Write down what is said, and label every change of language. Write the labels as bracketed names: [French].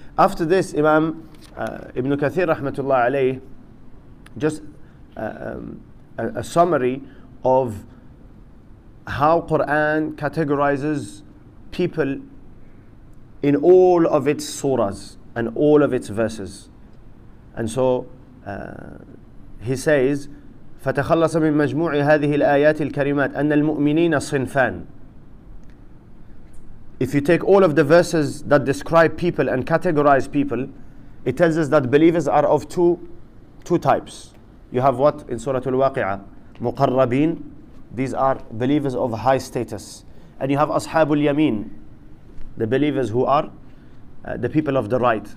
[English] After this, Imam Ibn Kathir rahmatullah alayh, just a summary of how Quran categorizes people in all of its surahs and all of its verses. And so he says, [Arabic] فَتَخَلَّصَ مِنْ مَجْمُوعِ هَذِهِ الْآيَاتِ الْكَرِيمَاتِ أَنَّ الْمُؤْمِنِينَ صِنْفَانِ. [English] If you take all of the verses that describe people and categorize people, it tells us that believers are of two types. You have what in Surah Al-Waqi'ah? [Arabic] مُقَرَّبِين. [English] These are believers of high status. And you have [Arabic] أَصْحَابُ الْيَمِينَ, [English] the believers who are the people of the right.